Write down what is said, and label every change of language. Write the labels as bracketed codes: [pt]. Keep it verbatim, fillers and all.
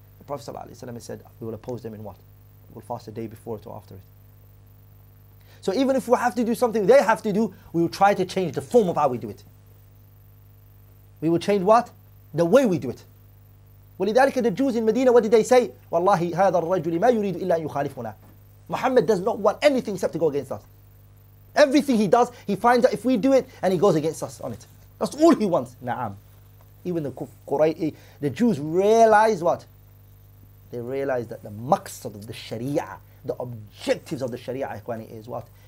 [en] The Prophet ﷺ said, "We will oppose them in what? We'll fast the day before it or after it." So even if we have to do something they have to do, we will try to change the form of how we do it. We will change what? The way we do it. ولذلك the Jews in Medina, what did they say? [ar] "Wallahi, هذا الرجل ما يريد إلا أن يخالفنا." [en] Muhammad does not want anything except to go against us. Everything he does, he finds out if we do it, and he goes against us on it. That's all he wants. Na'am. Even the Quraysh, the Jews realized what? They realized that the maqsad of the Sharia, the objectives of the Sharia, ikhwani, is what?